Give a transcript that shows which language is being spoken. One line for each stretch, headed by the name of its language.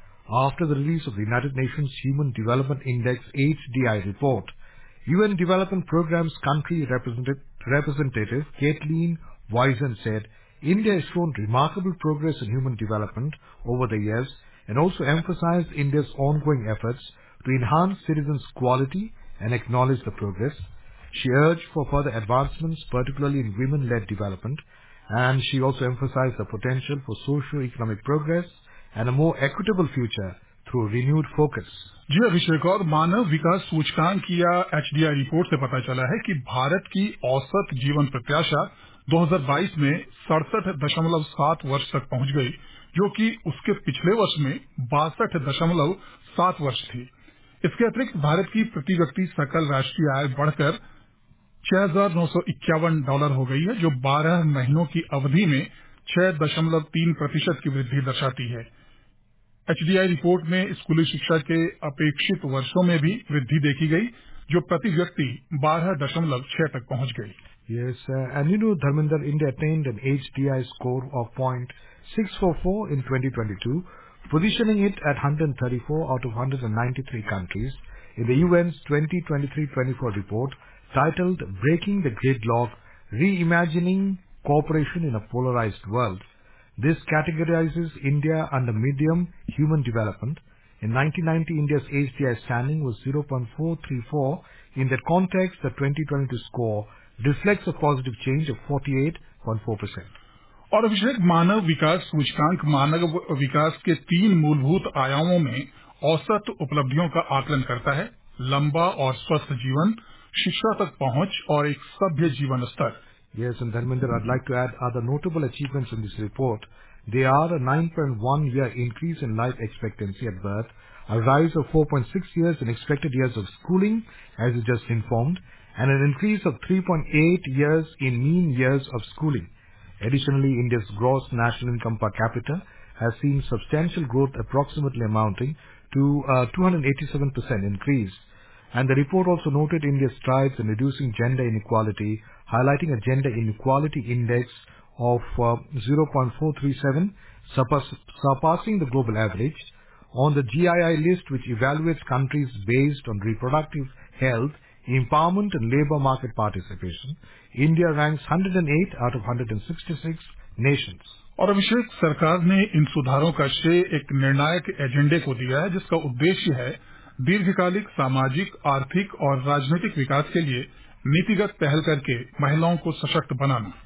English: After the release of the United Nations Human Development Index HDI report, UN Development Programme's country representative Kathleen Wiesen said, India has shown remarkable progress in human development over the years and also emphasized India's ongoing efforts to enhance citizens' quality and acknowledge the progress. She urged for further advancements, particularly in women-led development, and she also emphasized the potential for socio-economic progress and a more equitable future through renewed focus.
Hindi: जी अभिषेक, और मानव विकास सूचकांक या HDI report से पता चला है कि भारत की औसत जीवन प्रत्याशा 2022 में 67.7 वर्ष तक पहुंच गई, जो कि उसके पिछले वर्ष में 62.7 वर्ष थी। इसके अतिरिक्त भारत की प्रति व्यक्ति सकल राष्ट्रीय आय बढ़कर $6,951 हो गई है, जो 12 महीनों की अवधि में 6.3% की वृद्धि दर्शाती है। HDI रिपोर्ट में स्कूली शिक्षा के अपेक्षित वर्षों में भी वृद्धि देखी गई, जो प्रति व्यक्ति 12.6 तक पहुंच गई।
English: Yes, and you know, Dharmendra, India attained an HDI score of 0.644 in 2022, positioning it at 134 out of 193 countries in the UN's 2023-24 report titled Breaking the Gridlock, Reimagining Cooperation in a Polarized World. This categorizes India under medium human development. In 1990, India's HDI standing was 0.434. In that context, the 2022 score reflects a positive change of 48.4%.
Hindi: और अभिषेक, मानव विकास सूचकांक मानव विकास के तीन मूलभूत आयामों में औसत उपलब्धियों का आकलन करता है, लंबा और स्वस्थ जीवन, शिक्षा तक पहुंच और एक सभ्य जीवन स्तर।
English: Yes, and Dharmendra, I'd like to add other notable achievements in this report. They are a 9.1-year increase in life expectancy at birth, a rise of 4.6 years in expected years of schooling, as you just informed, and an increase of 3.8 years in mean years of schooling. Additionally, India's gross national income per capita has seen substantial growth, approximately amounting to a 287% increase. And the report also noted India's strides in reducing gender inequality, highlighting a gender inequality index of 0.437, surpassing the global average. On the GII list, which evaluates countries based on reproductive health, empowerment and labor market participation, India ranks 108 out of 166 nations.
Hindi: और अभिषेक, सरकार ने इन सुधारों का श्रेय एक निर्णायक एजेंडे को दिया है, जिसका उद्देश्य है दीर्घकालिक सामाजिक, आर्थिक और राजनीतिक विकास के लिए नीतिगत पहल करके महिलाओं को सशक्त बनाना।